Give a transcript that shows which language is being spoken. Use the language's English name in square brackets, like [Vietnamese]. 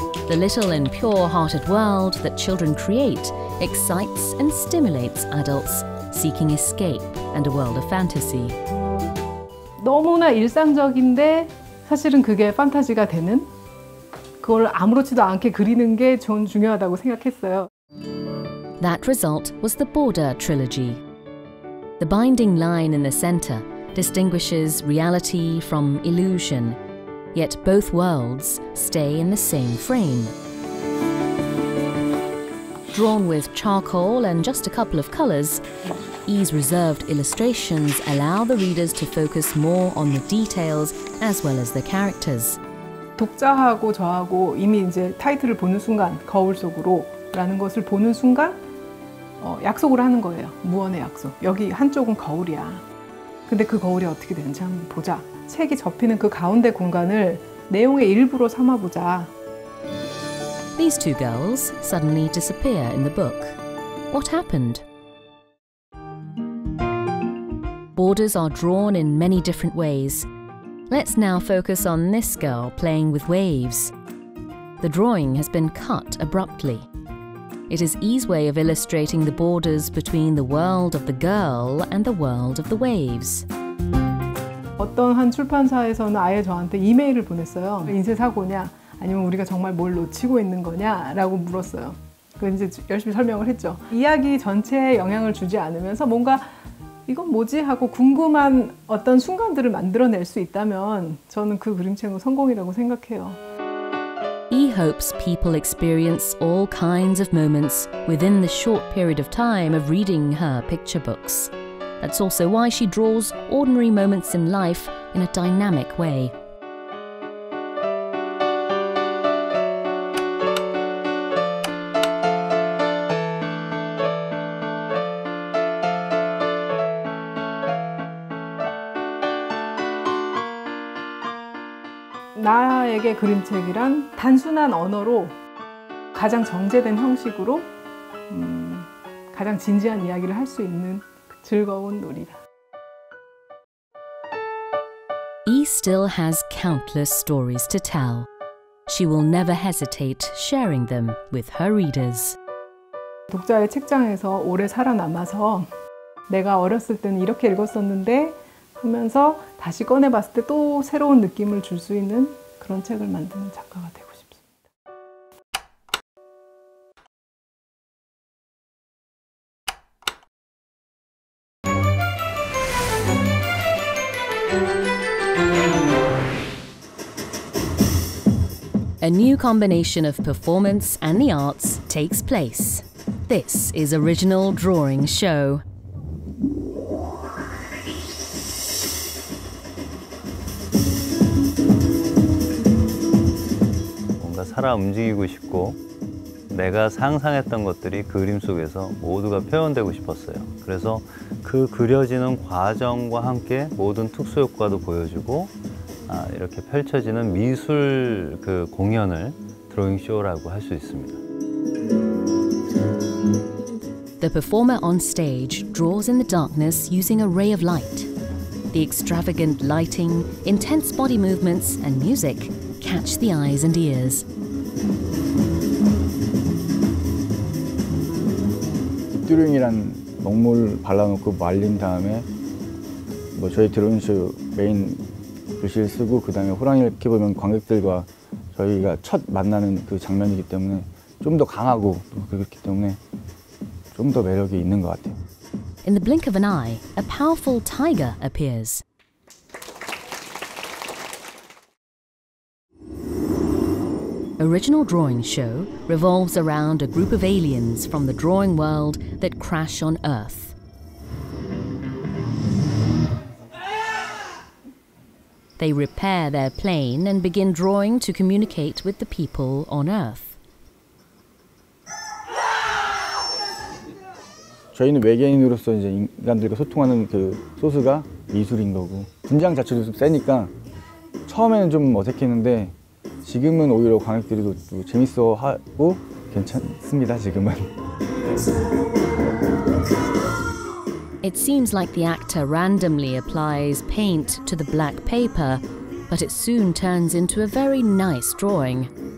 [English] The little and pure-hearted world that children create excites and stimulates adults seeking escape and a world of fantasy. [Korean] 너무나 일상적인데 사실은 그게 판타지가 되는 그걸 아무렇지도 않게 그리는 게 전 중요하다고 생각했어요. [English] That result was the Border trilogy. The binding line in the center distinguishes reality from illusion. Yet both worlds stay in the same frame. Drawn with charcoal and just a couple of colors, E's reserved illustrations allow the readers to focus more on the details as well as the characters. [Korean] 독자하고 저하고 이미 이제 타이틀을 보는 순간, 거울 속으로라는 것을 보는 순간 약속을 하는 거예요. 무언의 약속. 여기 한쪽은 거울이야. 근데 그 거울이 어떻게 되는지 한번 보자. 책이 접히는 그 가운데 공간을 내용의 일부로 삼아 보자. [English] These two girls suddenly disappear in the book. What happened? Borders are drawn in many different ways. Let's now focus on this girl playing with waves. The drawing has been cut abruptly. It is E's way of illustrating the borders between the world of the girl and the world of the waves. [Korean] 어떤 한 출판사에서는 아예 저한테 이메일을 보냈어요. 인쇄사고냐? 아니면 우리가 정말 뭘 놓치고 있는 거냐? 라고 물었어요. 그 이제 열심히 설명을 했죠. 이야기 전체에 영향을 주지 않으면서 뭔가 이건 뭐지? 하고 궁금한 어떤 순간들을 만들어낼 수 있다면 저는 그 그림책은 성공이라고 생각해요. [English] E hopes people experience all kinds of moments within the short period of time of reading her picture books. That's also why she draws ordinary moments in life in a dynamic way. [Korean] ]에게 그림책이란 단순한 언어로 가장 정제된 형식으로 가장 진지한 이야기를 할 수 있는 즐거운 놀이다. [English] E still has countless stories to tell. she will never hesitate sharing them with her readers. [Korean] 독자의 책장에서 오래 살아남아서 내가 어렸을 때는 이렇게 읽었었는데 하면서 다시 꺼내봤을 때 또 새로운 느낌을 줄 수 있는 그런 책을 만드는 작가가 되고 싶습니다. [English] A new combination of performance and the arts takes place. This is Original Drawing Show. I [Korean] 움직이고 싶고 내가 상상했던 것들이 그림 속에서 모두가 표현되고 싶었어요. 그래서 그 그려지는 과정과 함께 모든 특수 효과도 보여주고 이렇게 펼쳐지는 미술 그 공연을 드로잉 쇼라고 할 수 있습니다. [English] The performer on stage draws in the darkness using a ray of light. The extravagant lighting, intense body movements and music catch the eyes and ears. [Korean] 드로잉이란 녹물 발라놓고 말린 다음에 뭐 저희 드로잉쇼 메인 글씨를 쓰고 그 다음에 호랑이를 이렇게 보면 관객들과 저희가 첫 만나는 그 장면이기 때문에 좀 더 강하고 그렇기 때문에 좀 더 매력이 있는 것 같아요. [English] In the blink of an eye, a powerful tiger appears. Original Drawing Show revolves around a group of aliens from the drawing world that crash on Earth. They repair their plane and begin drawing to communicate with the people on Earth. [Korean] 저희는 외계인으로서 이제 인간들과 소통하는 그 소스가 미술인 거고 분장 자체도 좀 세니까 처음에는 좀 어색했는데 지금은 오히려 관객들도 재밌어하고 괜찮습니다. 지금은. [English] It seems like the actor randomly applies paint to the black paper, but it soon turns into a very nice drawing.